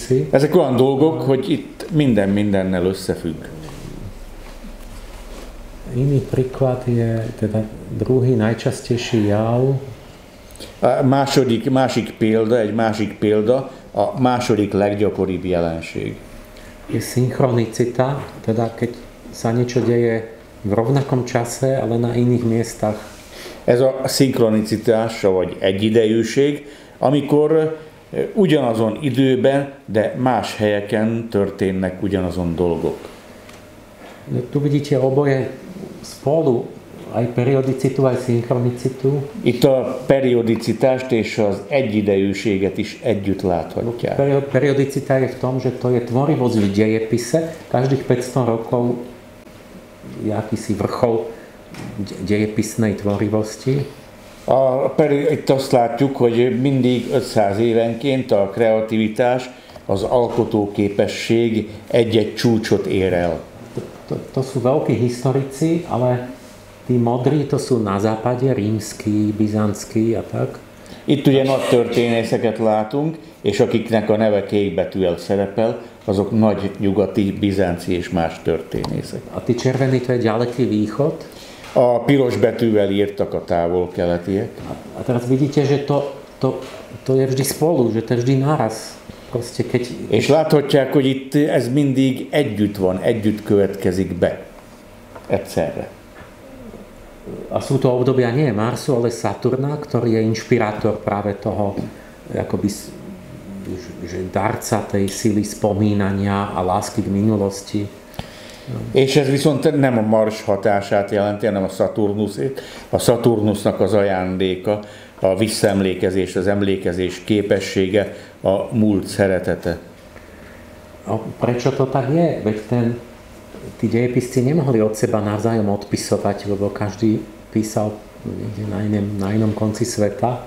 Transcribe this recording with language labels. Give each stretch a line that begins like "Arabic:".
Hungarian: Ezek olyan dolgok, hogy itt minden mindennel összefügg.
Slovak: Iný príklad je teda druhý najčastejší jav.
Hungarian: Másik példa, a második leggyakoribb jelenség.
Slovak: Je synchronicita, teda keď sa niečo deje v rovnakom čase, ale na iných miestach.
Hungarian: Ez a szinkronicitás, vagy egyidejűség, amikor ugyanazon időben, de más helyeken történnek ugyanazon dolgok.
Slovak: Tu vidíte oboje spolu, aj periodicitu, aj szinkronicitu.
Hungarian: Itt a periodicitást és az egyidejűséget is együtt láthatják.
Slovak: Periodicita je v tom, že to je tvorivosť v dejepise, každých 500 rokov je akýsi vrchol dejepisnej tvorivosti.
Hungarian: Itt azt látjuk, hogy mindig 500 évenként a kreativitás, az alkotóképesség egy-egy csúcsot ér el.
Slovak: To sú veľkí historici, ale tí modrí to sú na západe, rímsky, byzantský a tak.
Hungarian: Itt ugye nagy történészeket látunk, és akiknek a neve kékbetűvel szerepel, azok nagy nyugati, bizánci és más történészek.
Slovak: A ti červení, to je ďaleký východ.
Hungarian: A piros betűvel írtak a távol keletiek.
Slovak: A teraz vidíte, že to je vždy spolu, že to je vždy náraz. Proste, keď...
Hungarian: És láthatják, hogy itt ez mindig együtt van, együtt következik be. Egyszerre.
Slovak: A sú to obdobia nie Marsu, ale Saturna, ktorý je inšpirátor práve toho, akoby, že darca tej sily spomínania a lásky k minulosti.
Hungarian: És ez viszont nem a Mars hatását jelenti, hanem a Saturnusét. A Saturnusnak az ajándéka, a visszaemlékezés, az emlékezés képessége, a múlt szeretete.
Slovak: A prečo to tak je? Veď ten, tí dejepisci nemohli od seba navzájom odpisovať, lebo každý písal na inom konci sveta.